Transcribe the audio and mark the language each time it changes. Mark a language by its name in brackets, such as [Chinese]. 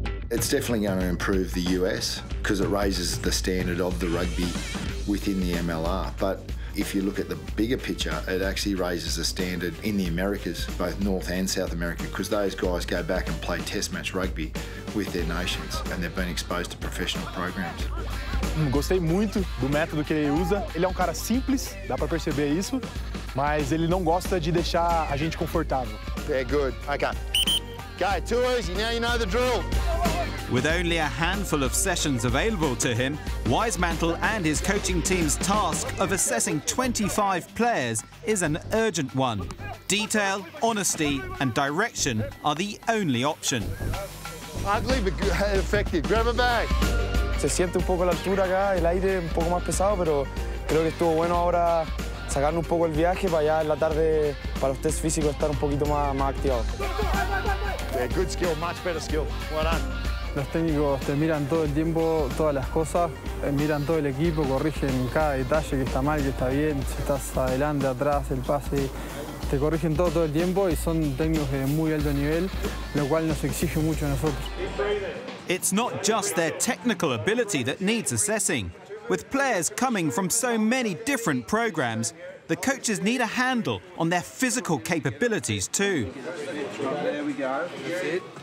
[English] It's definitely going to improve the US because it raises the standard of the rugby within the MLR. But if you look at the bigger picture, it actually raises the standard in the Americas, both North and South America, because those guys go back and play test match rugby with their nations and they've been exposed to professional programs. [Portuguese] Gostei muito do método que ele usa. Ele é um cara simples, dá para perceber isso, mas ele não gosta de deixar a gente confortável. [English] Very good. Okay. Okay, too easy. Now you know the drill. With only a handful of sessions available to him, Weismantel and his coaching team's task of assessing 25 players is an urgent one. Detail, honesty, and direction are the only option. Ugly but effective. Grab a bag. [Spanish] Se siente un poco la altura acá, el aire un poco más pesado, pero creo que estuvo bueno ahora sacar un poco el viaje para allá en la tarde para los test físicos estar un poquito más activado. [English] Yeah, good skill, much better skill. Well done. [Spanish] Los técnicos te miran todo el tiempo, todas las cosas, miran todo el equipo, corrigen cada detalle que está mal, que está bien, si estás adelante, atrás, el pase. Te corrigen todo el tiempo y son técnicos de muy alto nivel, lo cual nos exige mucho a nosotros. [English] It's not just their technical ability that needs assessing. With players coming from so many different programs, the coaches need a handle on their physical capabilities too. There we go. That's it.